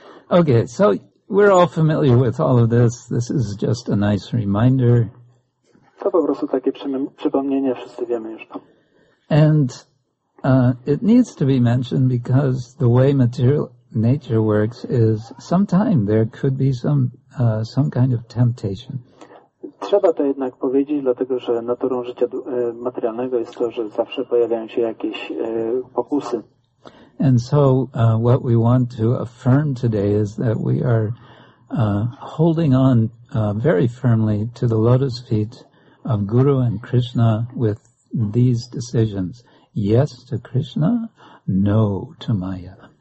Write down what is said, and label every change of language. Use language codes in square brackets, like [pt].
[en] Okay, so we're all familiar with all of this. This is just a nice reminder. [pl] To po prostu takie przypomnienie, wszyscy wiemy już to. [en] And it needs to be mentioned because the way material nature works is sometime there could be some kind of temptation. [pl] Trzeba to jednak powiedzieć, dlatego że naturą życia materialnego jest to, że zawsze pojawiają się jakieś pokusy. [en] And so what we want to affirm today is that we are holding on very firmly to the lotus feet of Guru and Krishna with these decisions. Yes to Krishna, no to Maya.